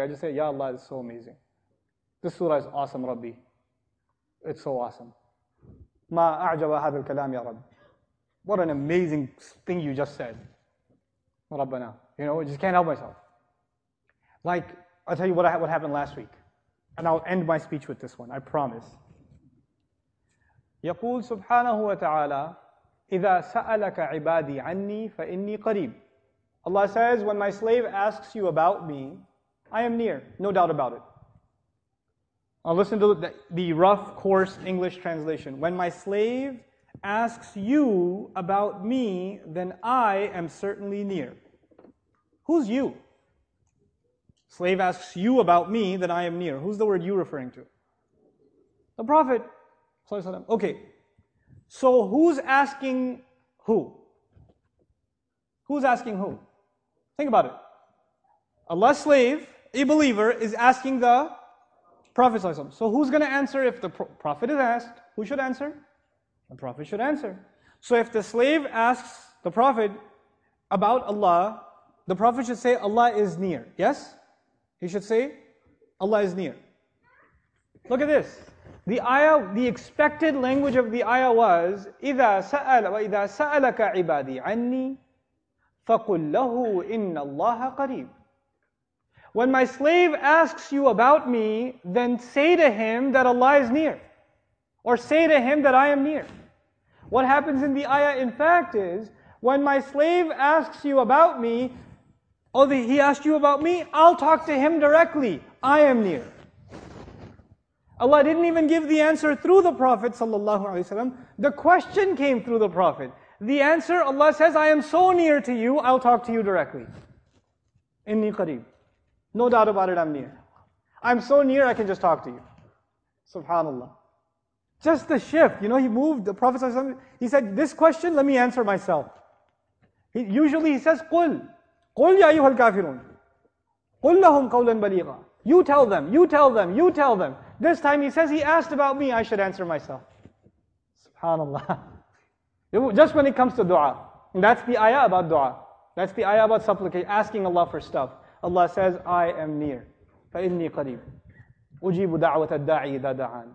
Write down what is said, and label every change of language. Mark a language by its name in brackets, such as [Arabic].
[English] I just say, Ya Allah, this is so amazing. This surah is awesome, Rabbi. It's so awesome. [Arabic] Ma a'jaba hadha al-kalam, Ya Rabbi. [English] What an amazing thing you just said. Rabbana. You know, I just can't help myself. Like, I'll tell you what happened last week. And I'll end my speech with this one, I promise. [Arabic] يقول سبحانه وتعالى إذا سألك عبادي عني فإني قريب. [English] Allah says, when my slave asks you about me, I am near, no doubt about it. I'll listen to the rough, coarse English translation. When my slave asks you about me, then I am certainly near. Who's you? Slave asks you about me, then I am near. Who's the word you referring to? The Prophet. Okay. So who's asking who? Who's asking who? Think about it. Allah's slave, a believer, is asking the Prophet. So who's going to answer if the Prophet is asked? Who should answer? The Prophet should answer. So if the slave asks the Prophet about Allah, the Prophet should say, Allah is near. Yes? He should say, Allah is near. Look at this. The ayah, the expected language of the ayah was, [Arabic] إِذَا سَأَلَ وَإِذَا سَأَلَكَ عِبَادِي عَنِّي فَقُلْ لَهُ إِنَّ اللَّهَ قَرِيبٌ. [English] When my slave asks you about me, then say to him that Allah is near. Or say to him that I am near. What happens in the ayah, in fact, is when my slave asks you about me, oh, he asked you about me, I'll talk to him directly. I am near. Allah didn't even give the answer through the Prophet ﷺ. The question came through the Prophet. The answer, Allah says, I am so near to you, I'll talk to you directly. [Arabic] Inni qareeb. [English] No doubt about it, I'm near. I'm so near, I can just talk to you. Subhanallah. Just the shift, you know, he moved, the Prophet ﷺ, he said, this question, let me answer myself. He says, [Arabic] قُلْ قُلْ يَا أَيُّهَا الْكَافِرُونَ قُلْ لَهُمْ قَوْلًا بَلِيغًا. [English] You tell them, you tell them, you tell them. This time he says, he asked about me, I should answer myself. Subhanallah. Just when it comes to dua. That's the ayah about dua. That's the ayah about supplication, asking Allah for stuff. Allah says, I am near. [Arabic] فَإِنِّي قَرِيبٌ. أُجِيبُ دَعْوَةَ الدَّاعِي إِذَا دَعَانِ.